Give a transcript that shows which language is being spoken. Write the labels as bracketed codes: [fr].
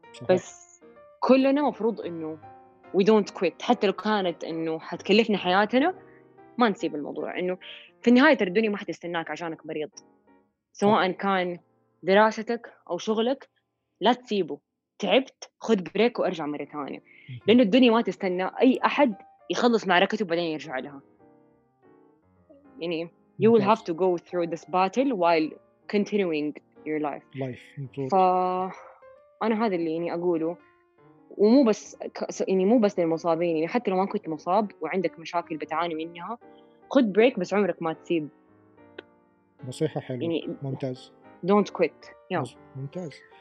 [ar] بس كلنا مفروض إنه [en] we don't quit، [ar] حتى لو كانت إنه حتكلفنا حياتنا ما نسيب الموضوع، إنه في النهاية ترى الدنيا ما حتستناك عشانك مريض، سواء كان دراستك أو شغلك لا تسيبه، تعبت خد بريك وأرجع مرة ثانية، لأنه الدنيا ما تستنى أي أحد يخلص معركته وبعدين يرجع لها. يعني [en] you will have to go through this battle while continuing your life. [ar] فأنا هذا اللي يعني أقوله، ومو بس يعني مو بس للمصابين، يعني حتى لو ما كنت مصاب وعندك مشاكل بتعاني منها خد بريك، بس عمرك ما تسيب. نصيحة حلوة. يعني ممتاز. [en] don't quit. [ar] ممتاز.